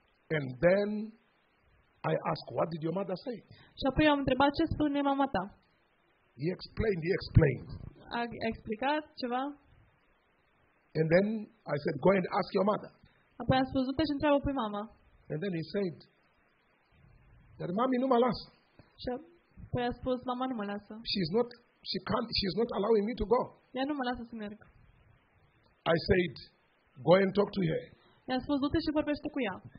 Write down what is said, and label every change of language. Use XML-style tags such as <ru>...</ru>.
<en>And then I ask, what did your mother say?</en> <ro>Și apoi am întrebat, ce spune mama ta?</ro> <en>He explained.</en> <ro>A explicat ceva?</ro> <en>And then I said, go and ask your mother.</en> <ro>Apoi a spus, du-te și întreabă pe mama.</ro> <en>And then he said,</en> <ro>dar mami nu mă lasă. Și apoi a spus, mama nu mă lasă.</ro> <en>She's not allowing me to go.</en> <ro>Ea nu mă lasă să merg.</ro> <en>I said, go and talk to her.</en> <ro>I-a spus, du-te și vorbește cu ea.</ro>